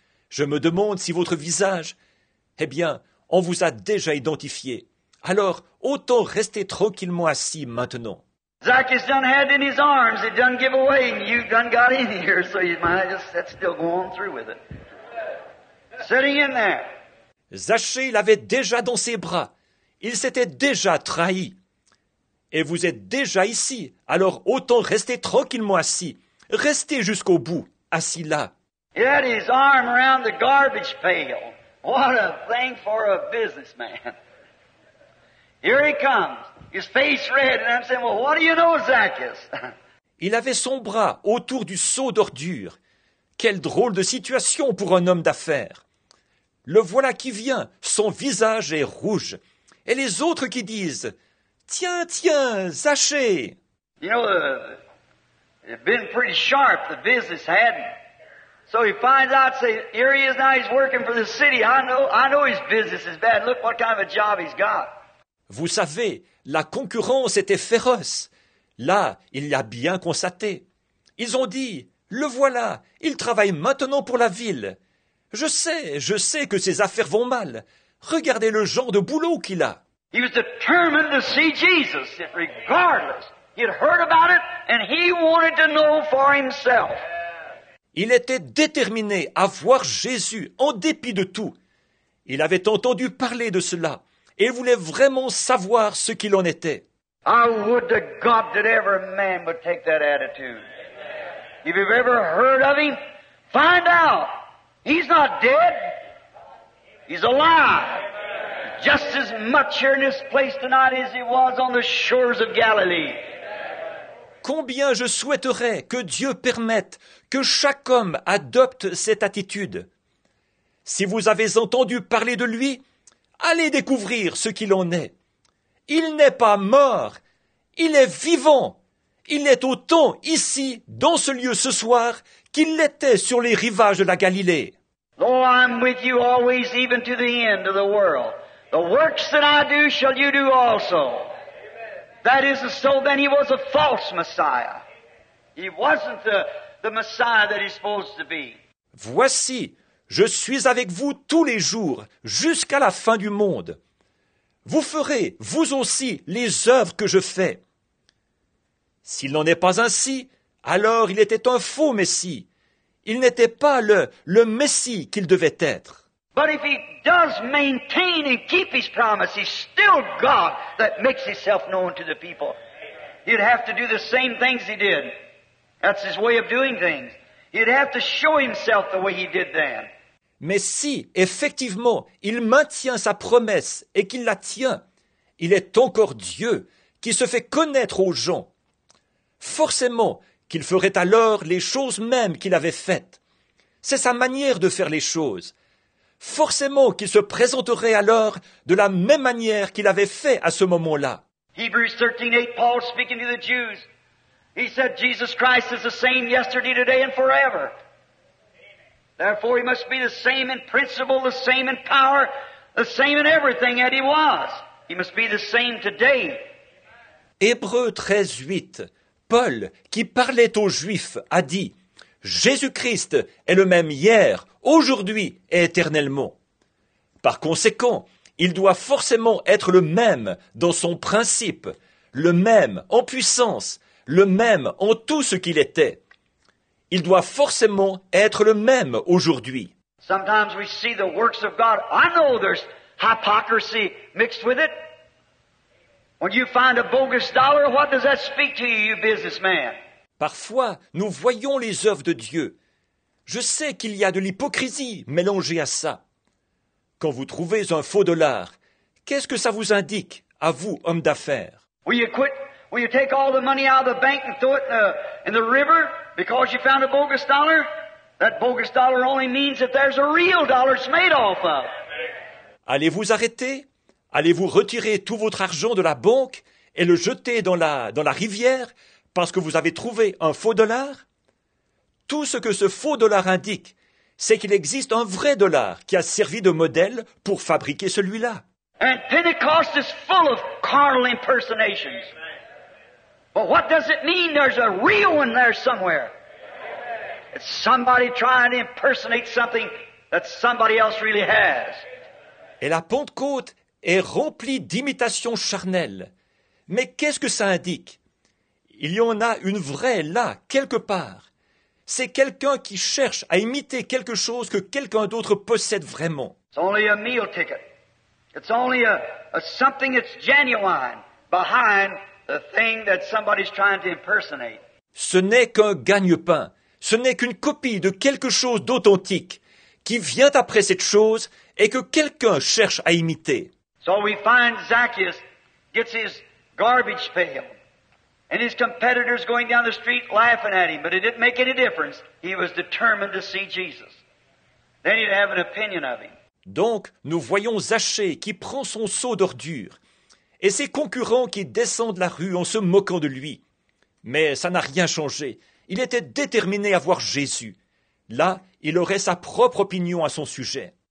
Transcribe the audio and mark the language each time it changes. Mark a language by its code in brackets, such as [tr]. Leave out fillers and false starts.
[fr] Je me demande si votre visage, eh bien, on vous a déjà identifié. Alors, autant rester tranquillement assis maintenant. [en] Zacchaeus done had in his arms, he done give away, and you done got in here, so you might just sit still, go on through with it. Sitting in there. [fr] Zachée l'avait déjà dans ses bras. Il s'était déjà trahi. Et vous êtes déjà ici, alors autant rester tranquillement assis. Restez jusqu'au bout, assis là. [en] He had his arm around the garbage pail. What a thing for a businessman. Here he comes, his face red, and I'm saying, well, what do you know, Zacchaeus? [fr] Il avait son bras autour du seau d'ordure. Quelle drôle de situation pour un homme d'affaires. Le voilà qui vient, son visage est rouge. Et les autres qui disent, tiens, tiens, Zachée. [en] You know, it'd been pretty sharp, the business hadn't. So he finds out, say, here he is now, he's working for the city. I know his business is bad. Look what kind of a job he's got. [fr] Vous savez, la concurrence était féroce. Là, il l'a bien constaté. Ils ont dit, le voilà, il travaille maintenant pour la ville. Je sais que ses affaires vont mal. Regardez le genre de boulot qu'il a. [en] He was determined to see Jesus, regardless. He had heard about it, and he wanted to know for himself. [fr] Il était déterminé à voir Jésus en dépit de tout. Il avait entendu parler de cela et voulait vraiment savoir ce qu'il en était. [en] I would to God that every man would take that attitude. If you've ever heard of him, find out. He's not dead. He's alive. Just as much here in this place tonight as he was on the shores of Galilee. [fr] Combien je souhaiterais que Dieu permette que chaque homme adopte cette attitude. Si vous avez entendu parler de lui, allez découvrir ce qu'il en est. Il n'est pas mort, il est vivant. Il est autant ici, dans ce lieu ce soir, qu'il l'était sur les rivages de la Galilée. [en] Though I'm with you always, even to the end of the world, the works that I do shall you do also. That is, so then he was a false Messiah. He wasn't the Messiah that he's supposed to be. [fr] Voici, je suis avec vous tous les jours, jusqu'à la fin du monde. Vous ferez, vous aussi, les œuvres que je fais. S'il n'en est pas ainsi, alors il était un faux Messie. Il n'était pas le Messie qu'il devait être. [en] But if he does maintain and keep his promise, he's still God that makes himself known to the people. He'd have to do the same things he did. That's his way of doing things. He'd have to show himself the way he did then. [fr] Mais si, effectivement, il maintient sa promesse et qu'il la tient, il est encore Dieu qui se fait connaître aux gens. Forcément qu'il ferait alors les choses mêmes qu'il avait faites. C'est sa manière de faire les choses. Forcément qu'il se présenterait alors de la même manière qu'il avait fait à ce moment-là. [en] Hébreux 13:8, Paul speaking to the Jews. He said Jesus Christ is the same yesterday, today and forever. Therefore he must be the same in principle, the same in power, the same in everything that he was. He must be the same today. [fr] Hébreux 13:8. Paul, qui parlait aux Juifs, a dit: Jésus-Christ est le même hier, aujourd'hui et éternellement. Par conséquent, il doit forcément être le même dans son principe, le même en puissance, le même en tout ce qu'il était. Il doit forcément être le même aujourd'hui. [en] Sometimes we see the works of God. I know there's hypocrisy mixed with it. When you find a bogus dollar, what does that speak to you, you businessman? [fr] Parfois, nous voyons les œuvres de Dieu. Je sais qu'il y a de l'hypocrisie mélangée à ça. Quand vous trouvez un faux dollar, qu'est-ce que ça vous indique, à vous, homme d'affaires? [en] Will you take all the money out of the bank and throw it in the river because you found a bogus dollar? That bogus dollar only means that there's a real dollar it's made off of. [fr] Allez-vous arrêter? Allez-vous retirer tout votre argent de la banque et le jeter dans la rivière parce que vous avez trouvé un faux dollar? Tout ce que ce faux dollar indique, c'est qu'il existe un vrai dollar qui a servi de modèle pour fabriquer celui-là. [en] And Pentecost is full of carnal impersonations. But what does it mean there's a real one there somewhere? It's somebody trying to impersonate something that somebody else really has. [fr] Et la Pentecôte est remplie d'imitations charnelles. Mais qu'est-ce que ça indique? Il y en a une vraie là, quelque part. C'est quelqu'un qui cherche à imiter quelque chose que quelqu'un d'autre possède vraiment. [en] It's only a meal ticket. It's only a something that's genuine behind the thing that somebody's trying to impersonate. [fr] Ce n'est qu'un gagne-pain. Ce n'est qu'une copie de quelque chose d'authentique qui vient après cette chose et que quelqu'un cherche à imiter. [en] So we find Zacchaeus gets his garbage pail. And his competitors going down the street laughing at him, but it didn't make any difference. He was determined to see Jesus. Then he'd have an opinion of him. [fr] Donc, nous voyons Zachée qui prend son seau d'ordure et ses concurrents qui descendent la rue en se moquant de lui. Mais ça n'a rien changé. Il était déterminé à voir Jésus. Là, il aurait sa propre opinion à son sujet.